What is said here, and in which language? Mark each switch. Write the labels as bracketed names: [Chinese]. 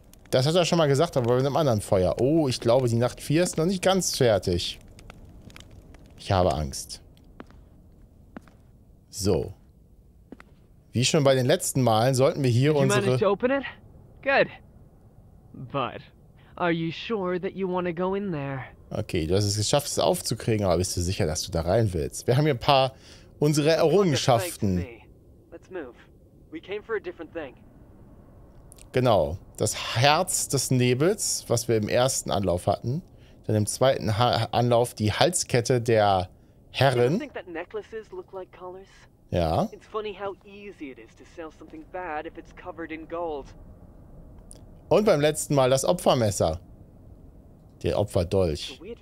[German] Das hat er schon mal gesagt, aber bei einem anderen Feuer. Oh, ich glaube, die Nacht 4 ist noch nicht ganz fertig. Ich habe Angst. So. Wie schon bei den letzten Malen sollten wir hier unsere... [English] Did you manage to open it? Good. But are you sure that you want to go in there? [German] Okay, du hast es geschafft, es aufzukriegen, aber bist du sicher, dass du da rein willst? Wir haben hier ein paar unsere Errungenschaften. [English] Let's move. We came for a different thing. [German] Genau, das Herz des Nebels, was wir im ersten Anlauf hatten. Dann im zweiten Anlauf die Halskette der Herrin. [English] Do you think that necklaces look like collars? [German] Ja. [English] It's funny how easy it is to sell something bad if it's covered in gold. [German] Und beim letzten Mal das Opfermesser. Der Opferdolch.